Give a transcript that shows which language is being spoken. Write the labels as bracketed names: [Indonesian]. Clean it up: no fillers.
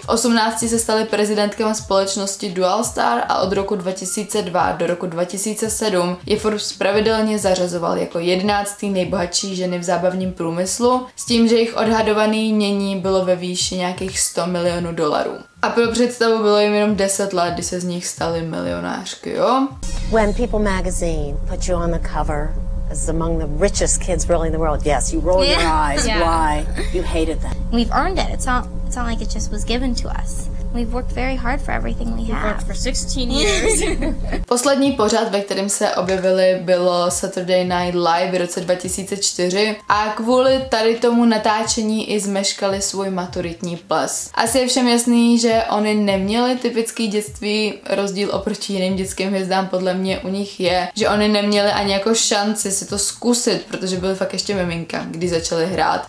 [Czech] V 18 se stali prezidentkama společnosti Dualstar a od roku 2002 do roku 2007 je Forbes pravidelně zařazoval jako 11. nejbohatší ženy v zábavním průmyslu, s tím, že jejich odhadovaný jmění bylo ve výši nějakých 100 milionů dolarů. A pro představu bylo jim jenom 10 let, kdy se z nich staly milionářky, jo? [English] When People Magazine put you on the cover as among the richest kids really in the world, yes, you rolled your eyes, why? You hated them. We've earned it, it's not like it just was given to us. We've worked very hard for everything we have. We've worked for 16 years. [Czech] Poslední pořad, ve kterém se objevili, bylo Saturday Night Live v roce 2004 a kvůli tady tomu natáčení i zmeškali svůj maturitní ples. Asi je všem jasný, že oni neměli typický dětství, rozdíl oproti jiným dětským hvězdám podle mě u nich je, že oni neměli ani jako šanci si to zkusit, protože byli fakt ještě miminka, když začali hrát.